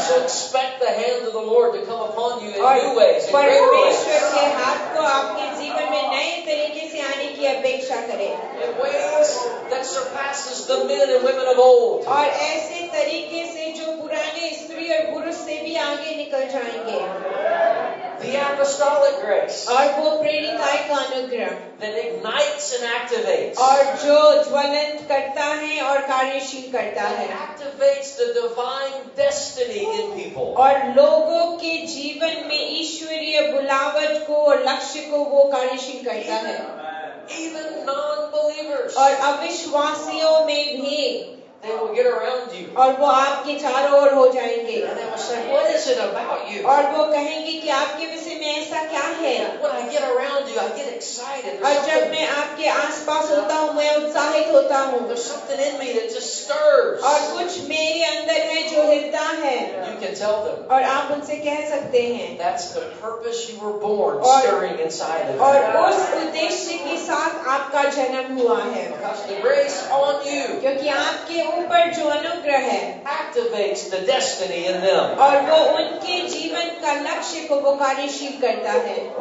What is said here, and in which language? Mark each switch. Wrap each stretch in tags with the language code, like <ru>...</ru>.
<en>So expect the hand of the Lord to come upon you in new ways.</en> <hi>परमेश्वर के हाथ को आपके जीवन में नए तरीके से आने की अपेक्षा करें.</hi> <en>In ways that surpasses the men and women of old.</en> <hi>और ऐसे तरीके से जो पुराने स्त्री और पुरुष से भी आगे निकल जाएंगे.</hi> <en>The apostolic grace.</en> <hi>और वो प्रेरिताई का अनुग्रह.</hi> <en>That ignites and activates.</en> <hi>और जो ज्वलंत करता है और कार्यशील करता है.</hi> <en>Activates the divine destiny in people.</en> <hi>और लोगों के जीवन में ईश्वरीय बुलावट को और लक्ष्य को वो कार्यशील करता है.</hi> <en>Even non-believers.</en> <hi>और अविश्वासियों में भी.</hi> <en>They will get around you.</en> <hi>और वो आपके चारों ओर हो जाएंगे.</hi> <en>And they will say, "What is it about you?"</en> <hi>और वो कहेंगे कि आपके विषय में ऐसा क्या है?</hi> <en>When I get around you, I get excited.</en> <hi>और जब मैं आपके आसपास होता हूँ, मैं उत्साहित होता हूँ.</hi> <en>There's something in me that just stirs.</en> <hi>और कुछ मेरे अंदर है जो हिलता है.</hi> <en>You can tell them.</en> <hi>और आप उनसे कह सकते हैं.</hi> <en>That's the purpose you were born, stirring inside of you.</en> <hi>और उस उद्देश्य के साथ आपका जन्म हुआ है.</hi> <en>Because the grace on you.</en> <hi>क्योंकि आपके ऊपर जो अनुग्रह है</hi> <en>activates the destiny in them.</en> <hi>और वो उनके जीवन का लक्ष्य को वो कार्यशील करता है.</hi>